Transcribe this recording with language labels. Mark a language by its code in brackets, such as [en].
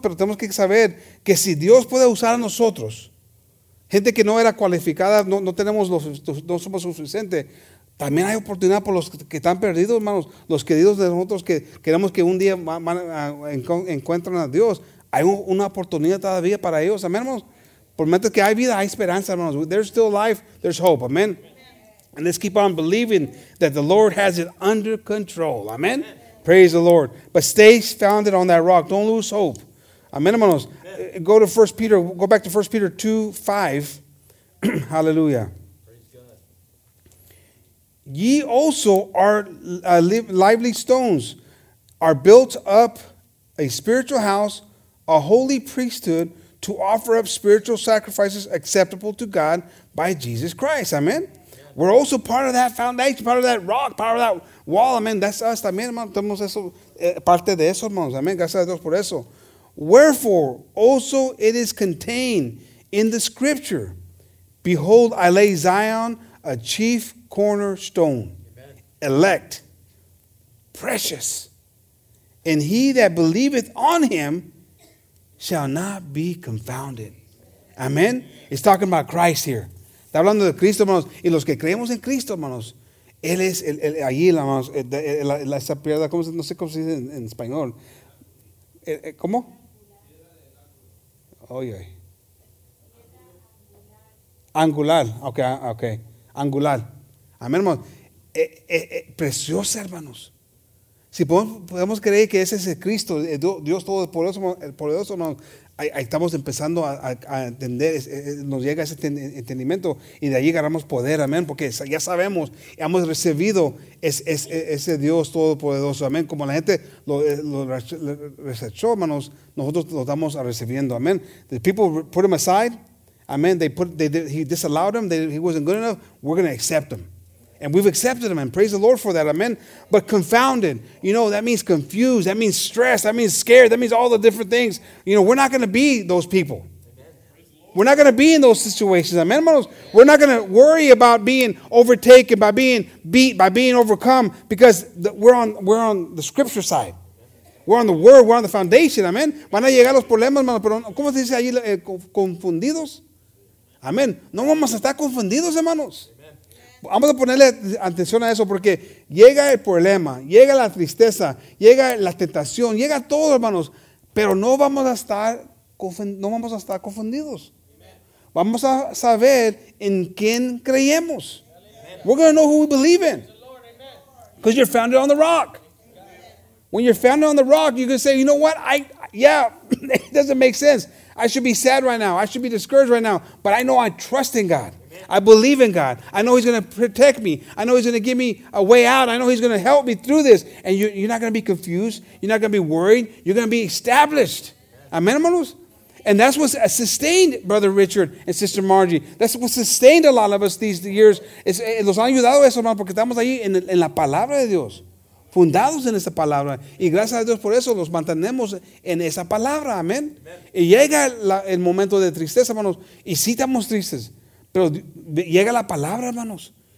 [es] Pero tenemos que saber que si Dios puede usar a nosotros, gente que no era cualificada, no somos suficientes, también hay oportunidad por los que están perdidos, hermanos. Los queridos de nosotros que queremos que un día encuentren a Dios. Hay una oportunidad todavía para ellos, amén, hermanos. Por mientras que hay vida, hay esperanza, hermanos. [en] There's still life, there's hope. Amen. And let's keep on believing that the Lord has it under control. Amen. Praise the Lord. But stay founded on that rock. Don't lose hope. Amen, hermanos. Amen. Go to 1 Peter. Go back to 1 Peter 2, 5. Hallelujah. Praise God. Ye also are lively stones, are built up a spiritual house, a holy priesthood, to offer up spiritual sacrifices acceptable to God by Jesus Christ. Amen. Yeah. We're also part of that foundation, part of that rock, part of that wall. Amen. That's us. [es] También, hermanos, tenemos eso, parte de eso, hermanos. Amen. Gracias a Dios por eso. [en] Wherefore, also it is contained in the scripture. Behold, I lay Zion a chief cornerstone. Amen. Elect. Precious. And he that believeth on him shall not be confounded. Amen. It's talking about Christ here. [es] Está hablando de Cristo, hermanos. Y los que creemos en Cristo, hermanos, Él es el allí, hermanos, esa piedra, no sé cómo se dice en español. ¿Cómo? Oye. Angular. Ok. Angular. Amén, hermanos. Preciosa, hermanos. Si podemos creer que ese es el Cristo, el Dios Todopoderoso, hermanos, ahí estamos empezando a entender, nos llega ese entendimiento y de ahí agarramos poder, amén, porque ya sabemos, hemos recibido ese Dios Todopoderoso, amén. Como la gente lo rechazó, hermanos, nosotros lo estamos recibiendo, amén. [en] The people put him aside, amén, he disallowed him, he wasn't good enough, we're going to accept him. And we've accepted him, and praise the Lord for that, amen. But confounded, you know, that means confused, that means stressed, that means scared, that means all the different things. You know, we're not going to be those people. Amen. We're not going to be in those situations, amen. We're not going to worry about being overtaken, by being beat, by being overcome, because we're on the scripture side. We're on the word, we're on the foundation, amen. [es] Van a llegar los problemas, hermanos, pero ¿cómo se dice allí? Confundidos. Amen. No vamos a estar confundidos, hermanos. Vamos a ponerle atención a eso porque llega el problema, llega la tristeza, llega la tentación, llega todo, hermanos, pero no vamos a estar confundidos. Vamos a saber en quién creemos. [en] We're going to know who we believe in. Because you're founded on the rock. When you're founded on the rock, you're going to say, you know what? It doesn't make sense. I should be sad right now. I should be discouraged right now. But I know I trust in God. I believe in God. I know He's going to protect me. I know He's going to give me a way out. I know He's going to help me through this. And you're not going to be confused. You're not going to be worried. You're going to be established. Amen, hermanos? And that's what sustained Brother Richard and Sister Margie. That's what sustained a lot of us these years. [es] Nos han ayudado eso, hermano, porque estamos ahí en la palabra de Dios. Fundados en esa palabra. Y gracias a Dios por eso nos mantenemos en esa palabra. Amén. Y llega el momento de tristeza, hermanos. Y sí estamos tristes. Pero llega la palabra, hermanos.